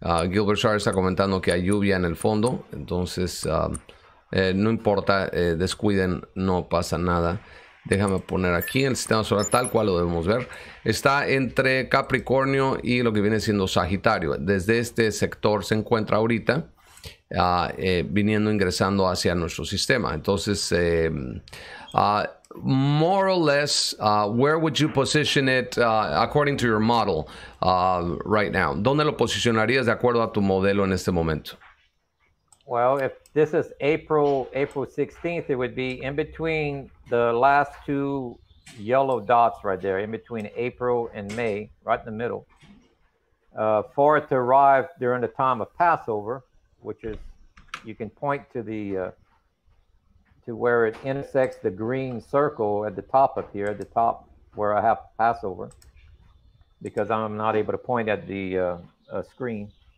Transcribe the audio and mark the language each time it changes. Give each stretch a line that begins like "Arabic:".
Spanish: Gilbert Shar está comentando que hay lluvia en el fondo. Entonces, no importa, descuiden, no pasa nada. Déjame poner aquí el sistema solar tal cual lo debemos ver. Está entre Capricornio y lo que viene siendo Sagitario. Desde este sector se encuentra ahorita, viniendo, ingresando hacia nuestro sistema.
English: Entonces, more or less, where would you position it according to your model right now?
Spanish: ¿Dónde lo posicionarías de acuerdo a tu modelo en este momento?
English: Well, if this is April 16th, it would be in between the last two yellow dots right there, in between April and May, right in the middle. For it to arrive during the time of Passover, which is, you can point to the to where it intersects the green circle at the top up here, at the top where I have Passover, because I'm not able to point at the screen.